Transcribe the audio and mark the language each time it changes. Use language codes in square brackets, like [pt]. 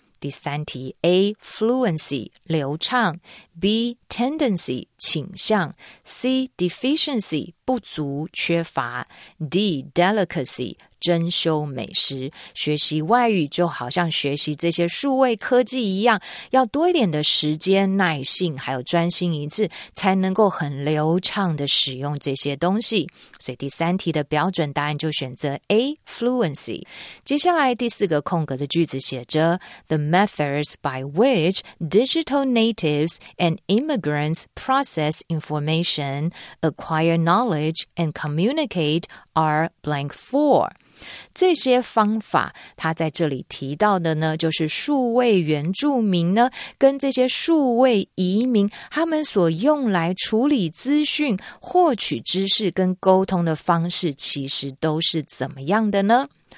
[zh] 第三题 A, fluency, 流畅 B, tendency, 倾向 C, deficiency, 不足、缺乏 D, delicacy,珍馐美食。学习外语就好像学习这些数位科技一样，要多一点的时间、耐性还有专心一致，才能够很流畅的使用这些东西。所以第三题的标准答案就选择 A, fluency。接下来第四个空格的句子写着 [en] The methods by which digital natives and immigrants process information, acquire knowledge and communicate are blank four. [zh] 这些方法，他在这里提到的呢，就是数位原住民呢，跟这些数位移民，他们所用来处理资讯、获取知识跟沟通的方式，其实都是怎么样的呢？